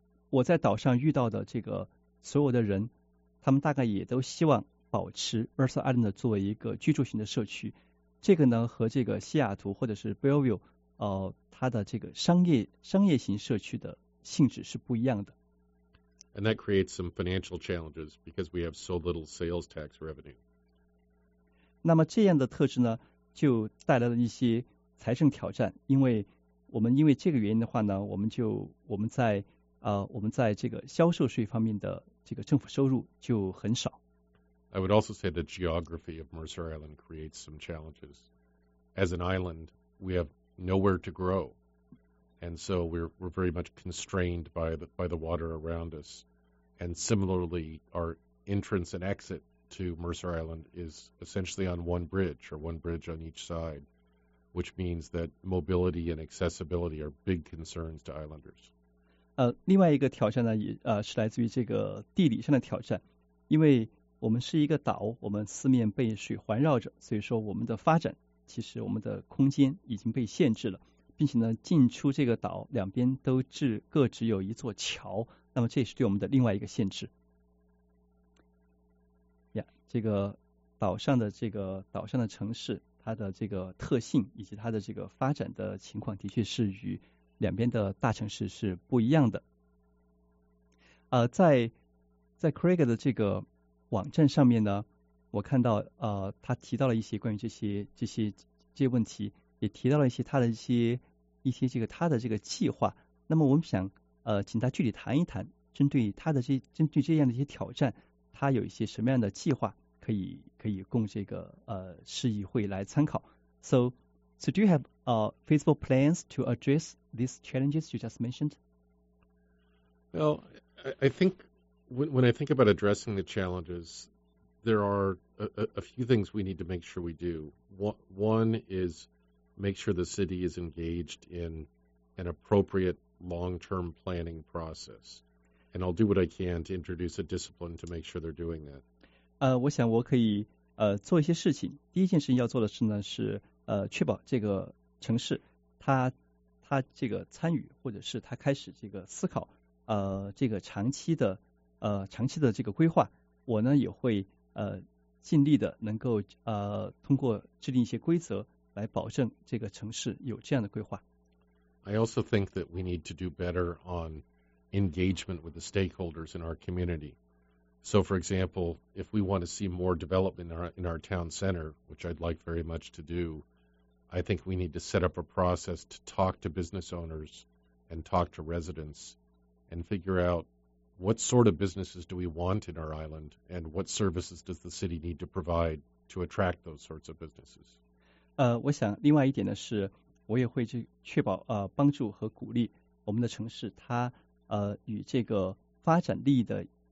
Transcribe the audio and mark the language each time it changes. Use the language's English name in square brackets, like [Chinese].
[Chinese] 我在岛上遇到的这个所有的人他们大概也都希望保持 Mercer Island 作为一个居住型的社区。这个呢和这个西雅图或者是 Bellevue 它的这个商业型社区的性质是不一样的。 [English] And that creates some financial challenges because we have so little sales tax revenue. [Chinese] 那么这样的特质呢就带来了一些财政挑战，因为这个原因的话呢我们在这个销售税方面的这个政府收入就很少。 [English] I would also say the geography of Mercer Island creates some challenges. As an island, we have nowhere to grow. And so we're very much constrained by the water around us. And similarly, our entrance and exit to Mercer Island is essentially on one bridge or one bridge on each side, which means that mobility and accessibility are big concerns to islanders. [Chinese] 另外一个挑战呢，是来自于这个地理上的挑战，因为我们是一个岛，我们四面被水环绕着，所以说我们的发展其实我们的空间已经被限制了，并且呢进出这个岛两边都各只有一座桥，那么这也是对我们的另外一个限制。 Yeah, 这个岛上的城市，它的这个特性以及它的这个发展的情况的确是与两边的大城市是不一样的。在 Craig 的这个网站上面呢，我看到他提到了一些关于这些问题，也提到了一些这个他的这个计划。那么我们想请他具体谈一谈，针对这样的一些挑战，他有一些什么样的计划可以供这个市议会来参考。 [English] So do you have feasible plans to address these challenges you just mentioned? Well, I think when I think about addressing the challenges, there are a few things we need to make sure we do. One is make sure the city is engaged in an appropriate long-term planning process. And I'll do what I can to introduce a discipline to make sure they're doing that. [Chinese] 我想我可以做一些事情。第一件事情要做的事呢是确保这个城市它这个参与或者是它开始这个思考这个长期的这个规划。我呢也会尽力的能够通过制定一些规则来保证这个城市有这样的规划。 [English] I also think that we need to do better on engagement with the stakeholders in our community. So, for example, if we want to see more development in our town center, which I'd like very much to do, I think we need to set up a process to talk to business owners and talk to residents and figure out what sort of businesses do we want in our island and what services does the city need to provide to attract those sorts of businesses. [Chinese] 我想另外一点呢是我也会去确保帮助和鼓励我们的城市它与这个发展利益的